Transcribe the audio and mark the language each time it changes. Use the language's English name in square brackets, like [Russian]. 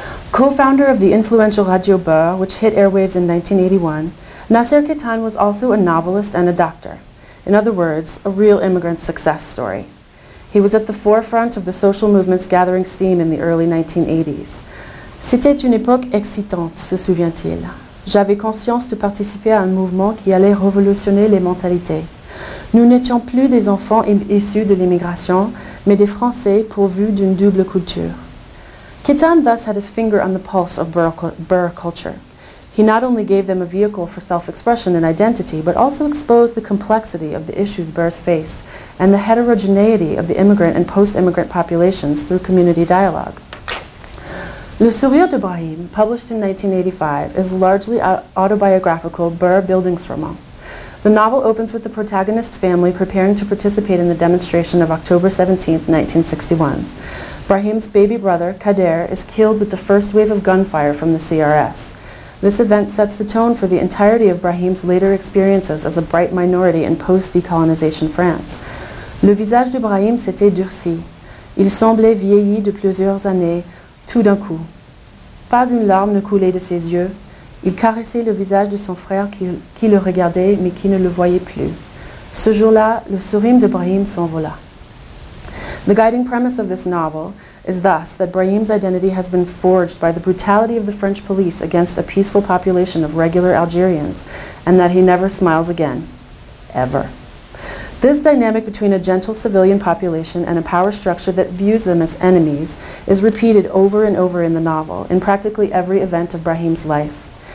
[English] Co-founder of the influential Radio Beur, which hit airwaves in 1981, Nasser Kétan was also a novelist and a doctor. In other words, a real immigrant success story. He was at the forefront of the social movements gathering steam in the early 1980s. [French] C'était une époque excitante, se souvient-il. J'avais conscience de participer à un mouvement qui allait révolutionner les mentalités. Nous n'étions plus des enfants issus de l'immigration, mais des Français pourvus d'une double culture. [English] Kétan thus had his finger on the pulse of Beur culture. He not only gave them a vehicle for self-expression and identity, but also exposed the complexity of the issues Beurs faced and the heterogeneity of the immigrant and post-immigrant populations through community dialogue. Le Sourire de Brahim, published in 1985, is largely autobiographical Beur Bildungsroman. The novel opens with the protagonist's family preparing to participate in the demonstration of October 17, 1961. Brahim's baby brother, Kader, is killed with the first wave of gunfire from the CRS. This event sets the tone for the entirety of Brahim's later experiences as a bright minority in post-decolonization France. [French] Le visage de Brahim s'était durci. Il semblait vieilli de plusieurs années, tout d'un coup. Pas une larme ne coulait de ses yeux. Il caressait le visage de son frère qui le regardait mais qui ne le voyait plus. Ce jour-là, le sourire de Brahim s'envola. [English] The guiding premise of this novel is thus that Brahim's identity has been forged by the brutality of the French police against a peaceful population of regular Algerians, and that he never smiles again, ever. This dynamic between a gentle civilian population and a power structure that views them as enemies is repeated over and over in the novel, in practically every event of Brahim's life.